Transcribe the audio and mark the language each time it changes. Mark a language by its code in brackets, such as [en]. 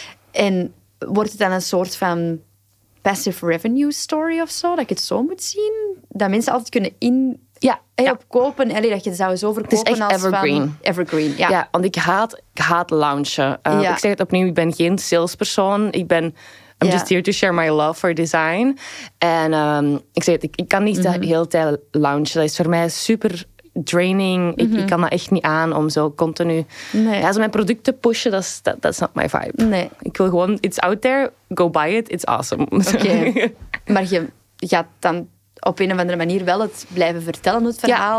[nl] En wordt het dan een soort van passive revenue story of zo? Dat ik het zo moet zien? Dat mensen altijd kunnen in... opkopen. Allee, dat je zou zo verkopen als... Het is echt evergreen. Van... Evergreen, ja. Ja, want ik haat launchen. Ik zeg het opnieuw, ik ben geen salespersoon. [en] I'm just here to share my love for design. [nl] En ik zeg het, ik kan niet de hele tijd launchen. Dat is voor mij super draining. Mm-hmm. Ik kan dat echt niet aan om zo continu... Nee. Ja, zo mijn producten pushen, dat is not my vibe. Nee. Ik wil gewoon, it's out there, go buy it, it's awesome. Oké. Okay. Maar je gaat dan op een of andere manier wel het blijven vertellen, het verhaal.